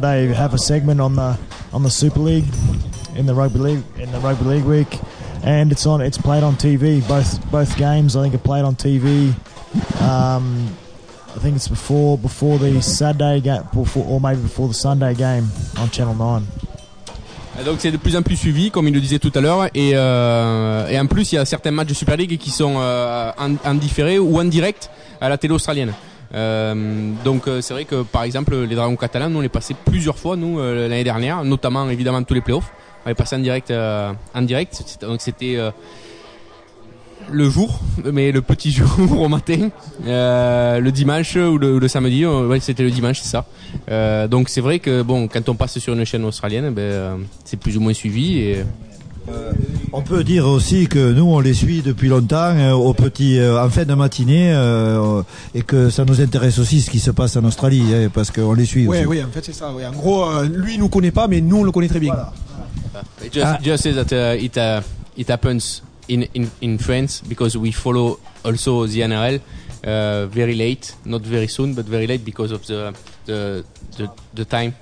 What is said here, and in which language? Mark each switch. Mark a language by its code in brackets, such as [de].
[en] They have a segment on the Super League in the Rugby League Week, and it's played on TV. Both games, I think, are played on TV. I think it's before the Saturday game, before the Sunday game on Channel 9. [fr] Donc c'est de plus en plus suivi, comme il le disait tout à l'heure, et en plus il y a certains matchs de Super League qui sont en différé ou en direct à la télé australienne. Donc c'est vrai que par exemple les Dragons catalans, nous on les passait plusieurs fois l'année dernière, notamment évidemment tous les playoffs, on les passait en direct. Donc c'était le jour, mais le petit jour au matin, le dimanche ou le samedi, c'était le dimanche, c'est ça. Donc c'est vrai que bon, quand on passe sur une chaîne australienne, c'est plus ou moins suivi. On peut dire aussi que nous on les suit depuis longtemps en fin de matinée, et que ça nous intéresse aussi ce qui se passe en Australie, parce qu'on les suit. Oui, aussi. Oui, en fait c'est ça. Oui. En gros, lui il nous connaît pas, mais nous on le connaît très bien. Voilà. [en] Just say that it happens in France because we follow also the NRL very late, not very soon, but very late because of the time.